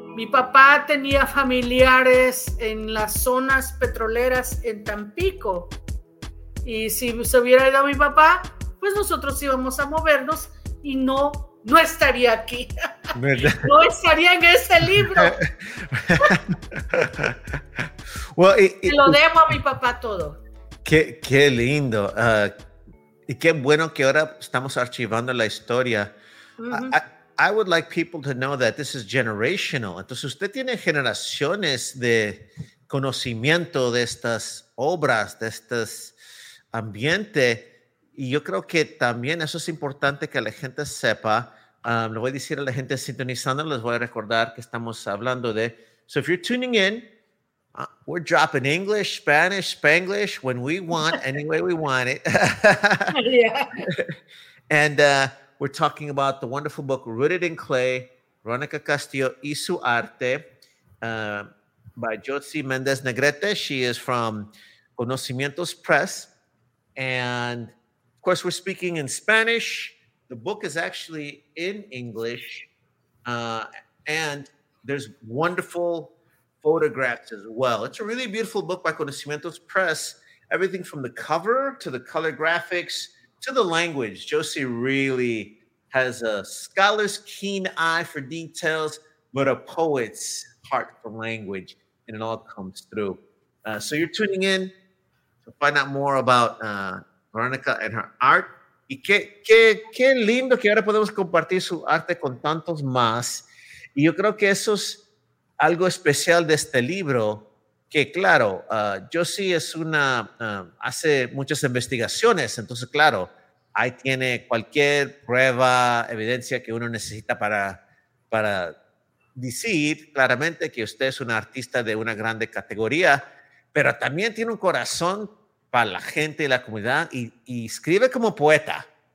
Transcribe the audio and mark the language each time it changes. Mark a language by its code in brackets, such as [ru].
[es] Papá tenía familiares en las zonas petroleras en Tampico, y si se hubiera ido a mi papá, pues nosotros íbamos a movernos y no estaría aquí. ¿Verdad? No estaría en este libro. [en] Well, [es] y lo debo a mi papá todo. Qué lindo, y qué bueno que ahora estamos archivando la historia. [en] I would like people to know that this is generational. [es] Entonces, usted tiene generaciones de conocimiento de estas obras, de estos ambientes. Y yo creo que también eso es importante que la gente sepa. Le voy a decir a la gente sintonizando, les voy a recordar que estamos hablando de... [en] So, if you're tuning in, we're dropping English, Spanish, Spanglish, when we want, any way we want it. Yeah. And... we're talking about the wonderful book Rooted in Clay, Veronica Castillo, Izúcar de Matamoros, by Josie Méndez-Negrete. She is from Conocimientos Press. And, of course, we're speaking in Spanish. The book is actually in English. And there's wonderful photographs as well. It's a really beautiful book by Conocimientos Press. Everything from the cover to the color graphics to the language. Josie really... has a scholar's keen eye for details, but a poet's heart for language, and it all comes through. So you're tuning in to find out more about Veronica and her art. [es] Y qué lindo que ahora podemos compartir su arte con tantos más. Y yo creo que eso es algo especial de este libro, que claro, Josie es una, hace muchas investigaciones, entonces claro, ahí tiene cualquier prueba, evidencia que uno necesita para decir claramente que usted es un artista de una grande categoría, pero también tiene un corazón para la gente y la comunidad y escribe como poeta.